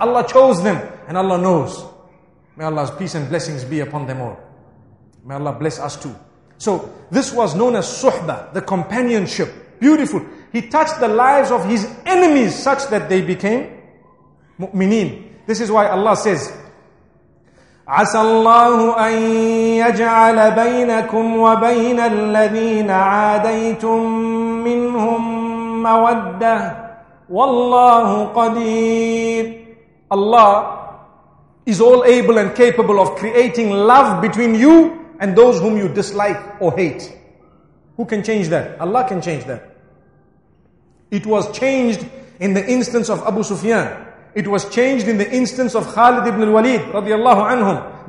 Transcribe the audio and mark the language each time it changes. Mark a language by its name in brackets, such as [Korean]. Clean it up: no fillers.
[English] Allah chose them and Allah knows. May Allah's peace and blessings be upon them all. May Allah bless us too. So this was known as suhba, the companionship. Beautiful. He touched the lives of his enemies such that they became mu'mineen. This is why Allah says, [Arabic] عَسَى اللَّهُ أَن يَجْعَلَ بَيْنَكُمْ وَبَيْنَ الَّذِينَ عَادَيْتُمْ مِنْهُمْ مَوَدَّةِ وَاللَّهُ قَدِيرٌ. [English] Allah is all able and capable of creating love between you and those whom you dislike or hate. Who can change that? Allah can change that. It was changed in the instance of Abu Sufyan. It was changed in the instance of Khalid ibn al-Walid radiallahu anhum.